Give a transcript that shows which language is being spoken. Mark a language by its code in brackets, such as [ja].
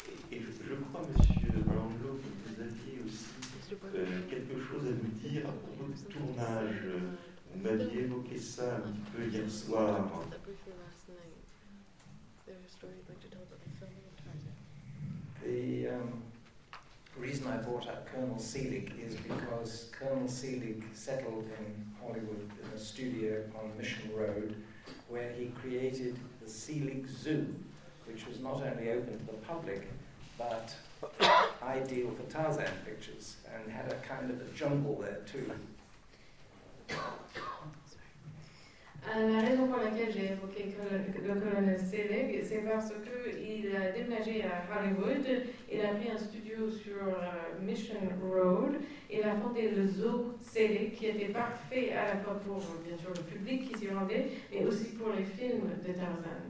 [fr] Et je crois, monsieur Blanglot, que vous aviez aussi quelque chose à nous dire à propos du tournage. Vous m'aviez évoqué ça un petit peu hier soir. [en] The reason I brought up Colonel Selig is because Colonel Selig settled in Hollywood in a studio on Mission Road where he created the Selig Zoo, which was not only open to the public but ideal for Tarzan pictures and had a kind of a jungle there too. [fr] La raison pour laquelle j'ai évoqué le colonel Selig, c'est parce qu'il a déménagé à Hollywood, il a pris un studio sur Mission Road, il a fondé le zoo Selig, qui était parfait à la fois pour, bien sûr, le public qui s'y rendait, mais aussi pour les films de Tarzan.